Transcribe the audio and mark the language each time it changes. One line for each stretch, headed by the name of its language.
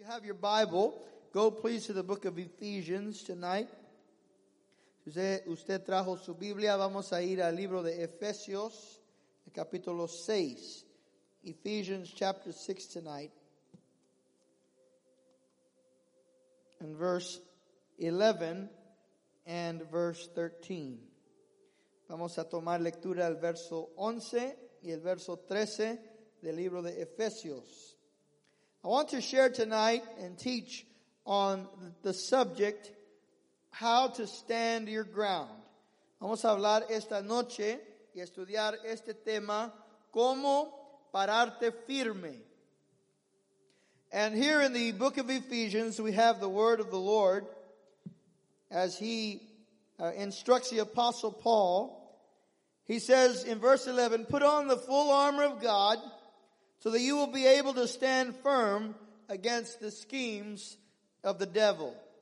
English: have your Bible, go please to the book of Ephesians tonight.
Spanish: Si usted trajo su Biblia, vamos a ir al libro de Efesios, el capítulo 6.
English: Ephesians chapter 6 tonight. And verse 11 and verse 13.
Spanish: Vamos a tomar lectura al verso 11 y el verso 13 del libro de Efesios.
English: I want to share tonight and teach on the subject, how to stand your ground.
Spanish: Vamos a hablar esta noche y estudiar este tema, cómo pararte firme.
English: And here in the book of Ephesians, we have the word of the Lord as he instructs the apostle Paul. He says in verse 11, put on the full armor of God so that you will be able to stand firm against the schemes of the devil.